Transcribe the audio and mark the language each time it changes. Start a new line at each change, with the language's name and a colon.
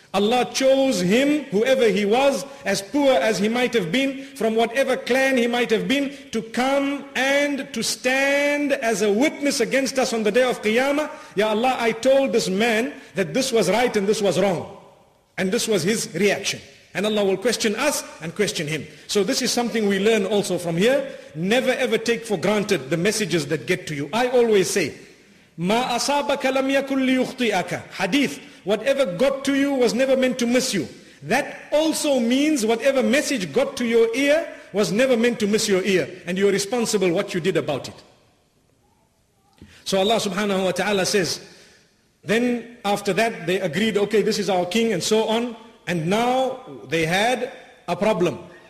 English: Allah chose him, whoever he was, as poor as he might have been, from whatever clan he might have been, to come and to stand as a witness against us on the day of Qiyamah. Ya Allah, I told this man that this was right and this was wrong. And this was his reaction. And Allah will question us and question him. So this is something we learn also from here. Never ever take for granted the messages that get to you. I always say,
Arabic: ما أصابك لم يكن ليخطئك.
English: Hadith. Whatever got to you was never meant to miss you. That also means whatever message got to your ear was never meant to miss your ear. And you are responsible what you did about it. So Allah subhanahu wa ta'ala says, then after that they agreed, okay, this is our king and so on. And now they had a problem.